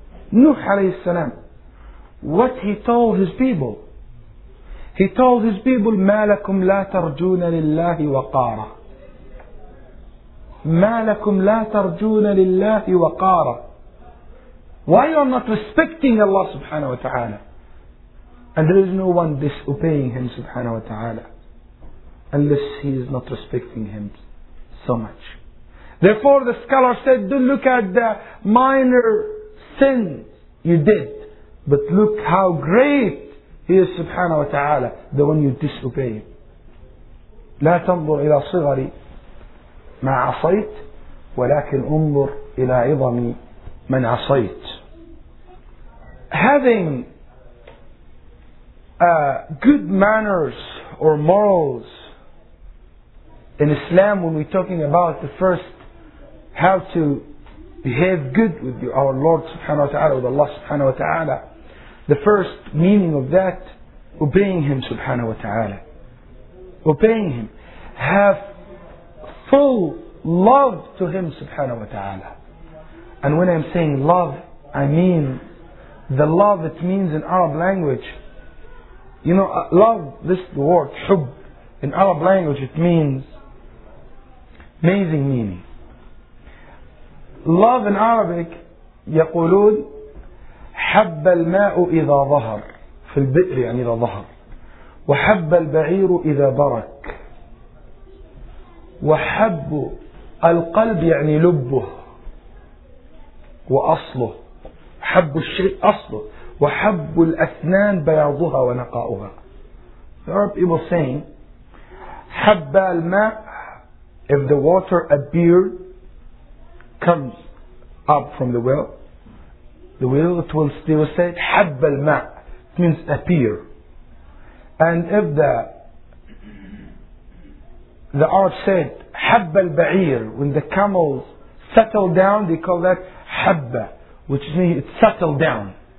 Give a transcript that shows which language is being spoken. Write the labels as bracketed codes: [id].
[en] Nuh alayhi salam, what he told his people? He told his people, [ar] مَا لَكُمْ لَا تَرْجُونَ لِلَّهِ وَقَارًا. مَا لَكُمْ لَا تَرْجُونَ لِلَّهِ وَقَارًا. [en] Why you are not respecting Allah subhanahu wa ta'ala? And there is no one disobeying Him subhanahu wa ta'ala unless he is not respecting Him so much. Therefore the scholar said, don't look at the minor sin you did, but look how great He is subhanahu wa ta'ala, the one you disobey. [ar] لا تنظر إلى صغري ما عصيت ولكن انظر إلى عظمي من عصيت. [en] Having good manners or morals in Islam, when we're talking about the first, how to behave good with our Lord subhanahu wa ta'ala, with Allah subhanahu wa ta'ala, the first meaning of that, obeying Him subhanahu wa ta'ala. Obeying Him. Have full love to Him subhanahu wa ta'ala. And when I'm saying love, I mean the love it means in Arab language. You know, love, this word, hub, in Arab language it means amazing meaning. Love in Arabic, [ar] يقولون حب الماء إذا ظهر في البئر يعني إذا ظهر وحب البعير إذا برك وحب القلب يعني لبه وأصله حب الشيء أصله وحب الأسنان بياضها ونقاؤها. [en] The Arab people saying [ar] حب الماء, [en] if the water appeared, comes up from the well, the will, it will still say حب الماء, it means appear. And if the art said [ar] حب البعير, [en] when the camels settle down, they call that حب, which means it settled down.